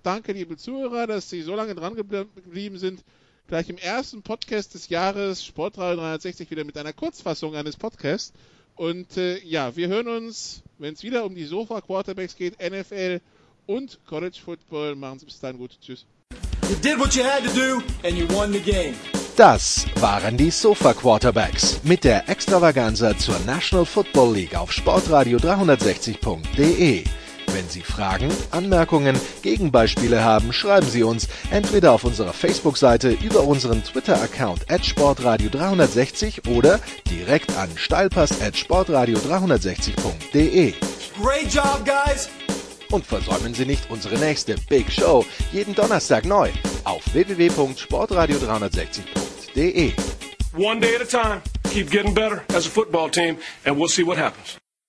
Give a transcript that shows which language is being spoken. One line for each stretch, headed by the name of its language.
German: Danke liebe Zuhörer, dass Sie so lange dran geblieben sind. Gleich im ersten Podcast des Jahres Sportradio 360 wieder mit einer Kurzfassung eines Podcasts. Und ja, wir hören uns, wenn es wieder um die Sofa-Quarterbacks geht, NFL und College-Football. Machen Sie bis dahin gut. Tschüss.
English: You did what you had to do and you won the game.
German: Das waren die Sofa-Quarterbacks mit der Extravaganza zur National Football League auf sportradio360.de. Wenn Sie Fragen, Anmerkungen, Gegenbeispiele haben, schreiben Sie uns entweder auf unserer Facebook-Seite über unseren Twitter-Account @sportradio360 oder direkt an steilpass@sportradio360.de.
English: Great job, guys!
German: Und versäumen Sie nicht unsere nächste Big Show jeden Donnerstag neu auf www.sportradio360.de.
English: One day at a time. Keep getting better as a football team and we'll see what happens.